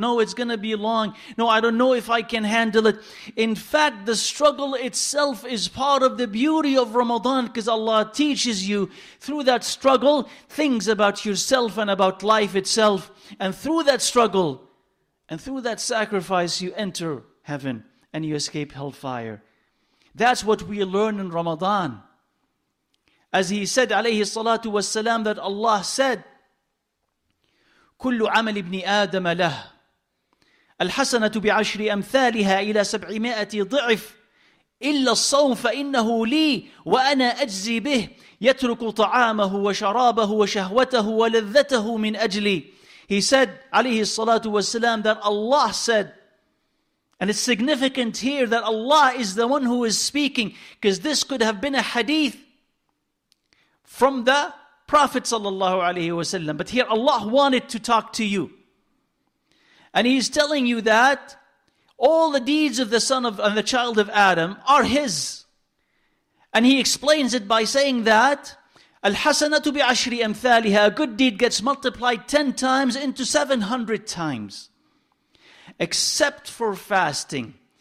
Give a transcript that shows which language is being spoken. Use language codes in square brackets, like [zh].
[en] No, it's going to be long. No, I don't know if I can handle it. In fact, the struggle itself is part of the beauty of Ramadan, because Allah teaches you through that struggle things about yourself and about life itself. And through that struggle and through that sacrifice, you enter heaven and you escape hellfire. That's what we learn in Ramadan. As he said, [ar] alayhi salatu wassalam, [en] that Allah said, [ar] كُلُّ عَمَلِ ابْنِ آدَمَ لَهُ الْحَسَنَةُ بِعَشْرِ أَمْثَالِهَا إِلَى سَبْعِمَائَةِ ضِعِفْ إِلَّا الصَّوْمْ فَإِنَّهُ لِي وَأَنَا أَجْزِي بِهِ يَتْرُكُ طَعَامَهُ وَشَرَابَهُ وَشَهْوَتَهُ وَلَذَّتَهُ مِنْ أَجْلِي. [en] He said, alayhi salatu wassalam, that Allah said, and it's significant here that Allah is the one who is speaking, because this could have been a hadith from the Prophet sallallahu alaihi wasallam, but here Allah wanted to talk to you, and He's telling you that all the deeds of the son of and the child of Adam are His, and He explains it by saying that [ar] al-hasanatu bi'ashri amthaliha, [en] a good deed gets multiplied 10 times into 700 times, except for fasting.